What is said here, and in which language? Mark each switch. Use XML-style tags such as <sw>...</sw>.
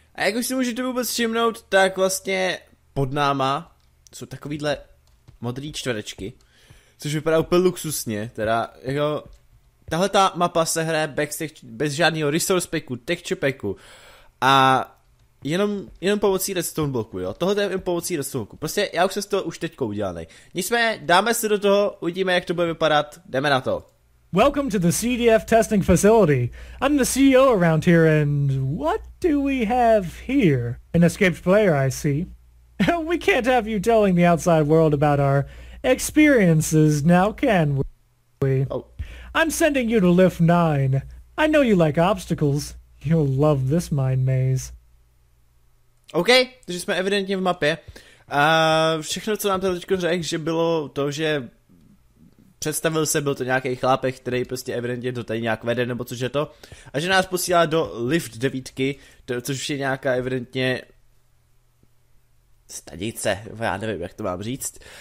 <cs>A jak už si můžete vůbec všimnout, tak vlastně pod náma jsou takovýhle modrý čtverečky, což vypadá úplně luxusně, teda jako tahleta mapa se hraje bez žádného resource packu, texture packu a jenom pomocí redstone bloku, jo. Tohle je pomocí redstone bloku. Prostě já už jsem z toho už teďko udělaný. Nicméně, dáme se do toho, uvidíme, jak to bude vypadat. Jdeme na to.</cs> <en>Welcome to the CDF testing facility. I'm the CEO around here and what do we have here? An escaped player, I see. We can't have you telling the outside world about our experiences now, can we? Oh. I'm sending you to Lift 9. I know you like obstacles. You'll love this mine maze.</en> <cs>OK, takže jsme evidentně v mapě. Všechno, co nám teď řekl, že bylo to, že představil se, byl to nějaký chlápek, který prostě evidentně to tady nějak vede, nebo což je to. A že nás posílá do Lift 9, což je nějaká evidentně stanice, já nevím, jak to mám říct.</cs>